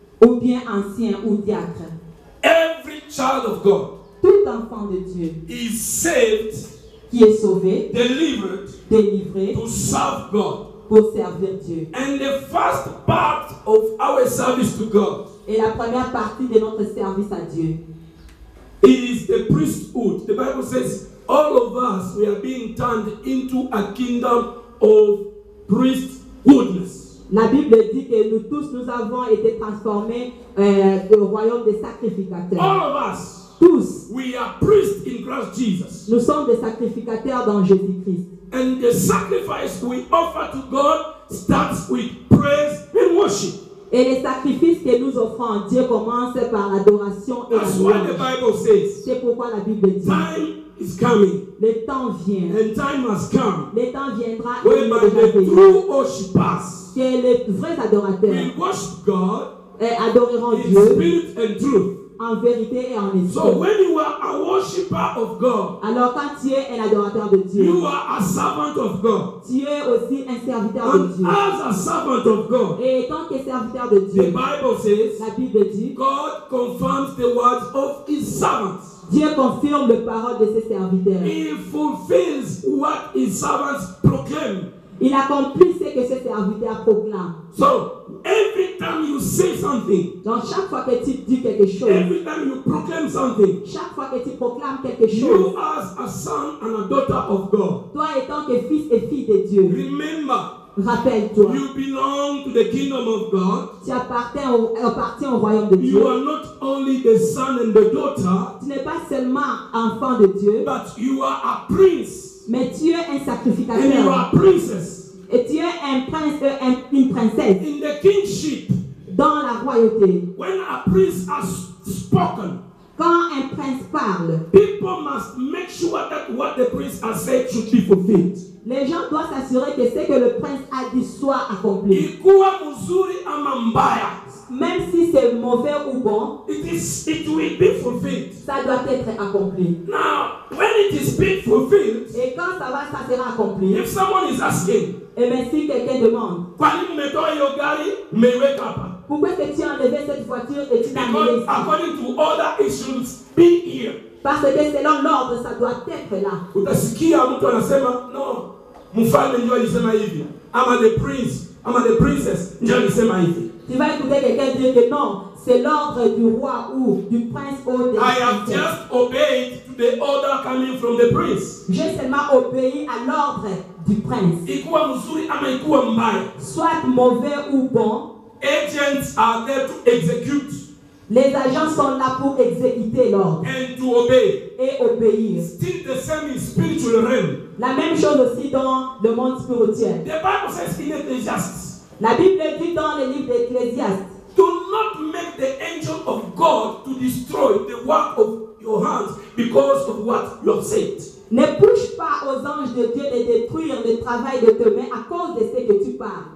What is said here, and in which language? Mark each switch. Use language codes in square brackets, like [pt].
[fr] ou bien ancien ou diacre. [en] Every child of God, [fr] tout enfant de Dieu [en] is saved, [fr] qui est sauvé, [en] delivered, [fr] délivré, [en] to serve God, [fr] pour servir Dieu. [en] And the first part of our service to God, [fr] et la première partie de notre service à Dieu, [en] is the priesthood. The Bible says, all of us we are being turned into a kingdom of priesthoodness. [fr] La Bible dit que nous tous nous avons été transformés au royaume des sacrificateurs. [en] All of us, [fr] tous, [en] we are priests in Christ Jesus. [fr] Nous sommes des sacrificateurs dans Jésus-Christ. [en] And the sacrifice we offer to God starts with praise and worship. [fr] Et les sacrifices que nous offrons à Dieu commencent par l'adoration et la louange. [en] The Bible says, [fr] c'est pourquoi la Bible dit, [en] time is coming, [fr] le temps vient, [en] and time must come, [fr] le temps viendra, [en] whereby the true worshippers, [fr] que les vrais adorateurs, [en] will worship God, [fr] et adoreront [en] in [fr] Dieu, [en] spirit and truth, [fr] en vérité et en esprit. [en] So when you are a worshipper of God, [fr] alors quand tu es un adorateur de Dieu, [en] you are a servant of God, [fr] tu es aussi un serviteur [en] and [fr] de Dieu. [en] As a servant of God, [fr] et tant que serviteur de Dieu, [en] the Bible says, [fr] la Bible dit, [en] God confirms the words of his servants. [fr] Dieu confirme les paroles de ses serviteurs. [en] He fulfills what his servants proclaim. [fr] Il accomplit ce que ses serviteurs proclament. [en] So, every time you say something, [fr] donc chaque fois que tu dis quelque chose, [en] every time you proclaim something, [fr] chaque fois que tu proclames quelque chose, [en] you as a son and a daughter of God, [fr] toi étant que fils et fille de Dieu, [en] remember, [fr] rappelle-toi, [en] you belong to the kingdom of God, [fr] tu appartiens au royaume de Dieu. [en] You are not only the son and the daughter, [fr] tu n'es pas seulement enfant de Dieu, [en] but you are a prince, [fr] mais tu es un sacrificateur. [en] And you are a princess. [fr] Et tu es un prince, une princesse. [en] In the kingship, [fr] dans la royauté. [en] When a prince has spoken, [fr] quand un prince parle, [en] people must make sure that what the prince has said should be fulfilled. [fr] Les gens doivent s'assurer que ce que le prince a dit soit accompli. [sw] Ikuwa mzuri ama mbaya, [fr] même si c'est mauvais ou bon, [en] it will be fulfilled. [fr] Ça doit être accompli. [en] Now, when it is being fulfilled, [fr] et quand ça sera accompli, [en] if someone is asking, [fr] et bien si quelqu'un demande, [sw] kwani umetoa hiyo gari, umeiweka hapa, [fr] pourquoi est-ce que tu as enlevé cette voiture et tu l'as mis ici? [en] According to order, it should be here. [fr] Parce que selon l'ordre, ça doit être là. [sw] Utasikia mtu anasema, no, mfalme ndio alisema hivi, ama [en] the prince, [sw] ama [en] the princess [sw] ndio alisema hivi. [fr] Tu vas écouter quelqu'un dire que non, c'est l'ordre du roi ou du prince ou des princes. [en] I have just obeyed the order coming from the prince. [fr] J'ai seulement obéi à l'ordre du prince. [sw] Ikuwa mzuri ama ikuwa mbaya. [fr] Soit mauvais ou bon. [en] Agents are there to execute. [fr] Les agents sont là pour exécuter l'ordre. [en] And to obey. [fr] Et obéir. [en] Still the same in spiritual realm. [fr] La même chose aussi dans le monde spirituel. [en] The Bible says in Ecclesiastes. [fr] La Bible dit dans le livre d'Ecclésiaste, [en] do not make the angel of God to destroy the work of your hands because of what you have said. [fr] Ne pousse pas aux anges de Dieu de détruire le travail de tes mains à cause de ce que tu parles.